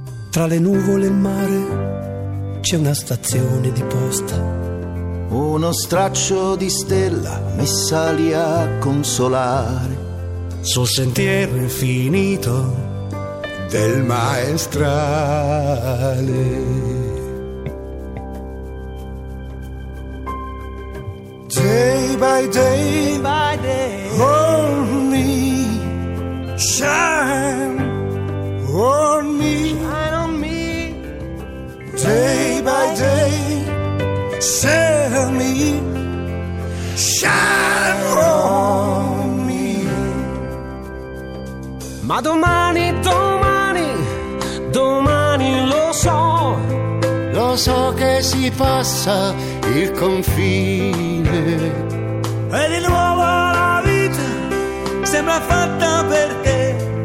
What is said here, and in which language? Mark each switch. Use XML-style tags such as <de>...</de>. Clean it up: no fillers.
<it>Tra le nuvole e il mare c'è una stazione di posta, uno straccio di stella messa lì a consolare sul sentiero infinito del maestrale.</it> <en>Day by day, on me, shine on me. Day by day, tell me, shine on me.</en> <it>Ma domani, domani, domani lo so. Lo so che si passa il confine. E di nuovo la vita sembra fatta per te.</it>